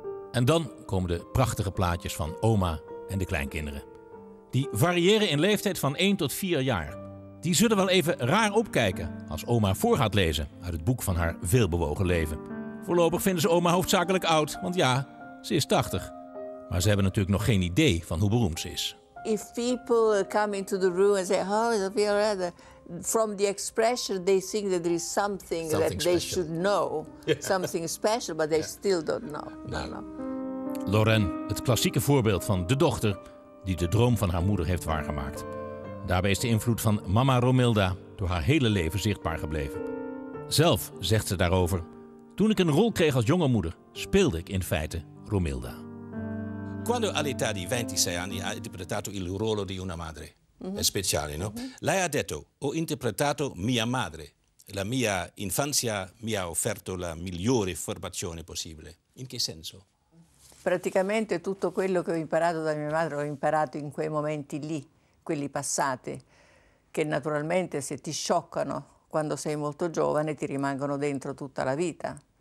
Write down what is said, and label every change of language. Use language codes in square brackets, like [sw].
[nl] En dan komen de prachtige plaatjes van oma en de kleinkinderen. Die variëren in leeftijd van 1 tot 4 jaar. Die zullen wel even raar opkijken als oma voor gaat lezen uit het boek van haar veelbewogen leven. Voorlopig vinden ze oma hoofdzakelijk oud, want ja, ze is 80. Maar ze hebben natuurlijk nog geen idee van hoe beroemd ze is. [en] If people come into the room and say, oh, is Sophia Loren, from the expression, they think that there is something that special. They should know, yeah. Something special, but they still don't know. No. [nl] Loren, het klassieke voorbeeld van de dochter die de droom van haar moeder heeft waargemaakt. Daarbij is de invloed van mama Romilda door haar hele leven zichtbaar gebleven. Zelf zegt ze daarover, toen ik een rol kreeg als jonge moeder, speelde ik in feite Romilda. [it] Quando all'età di 26 anni ha interpretato il ruolo di una madre, è speciale, no? Lei ha detto, ho interpretato mia madre. La mia infanzia mi ha offerto la migliore formazione possibile. In che senso? Praticamente tutto quello che ho imparato da mia madre l'ho imparato in quei momenti lì, quelli passati, che naturalmente se ti scioccano quando sei molto giovane ti rimangono dentro tutta la vita.